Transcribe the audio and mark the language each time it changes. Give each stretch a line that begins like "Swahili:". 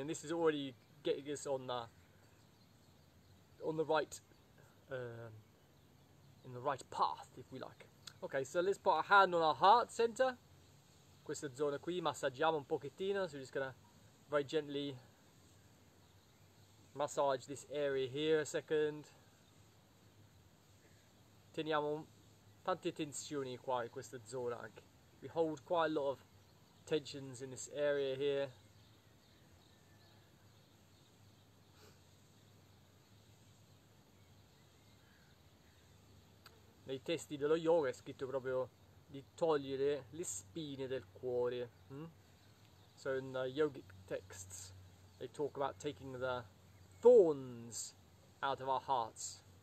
English: And this is already getting us on the right path, if we like. Okay, so let's put our hand on our heart center.
Italian: Questa zona qui, massaggiamo un pochettino.
English: So we're just gonna very gently massage this area here a second.
Italian: Teniamo tante tensioni qua in questa zona anche.
English: We hold quite a lot of tensions in this area here.
Italian: Nei testi dello yoga è scritto proprio di togliere le spine del cuore.
English: So in the yogic texts they talk about taking the thorns out of our hearts.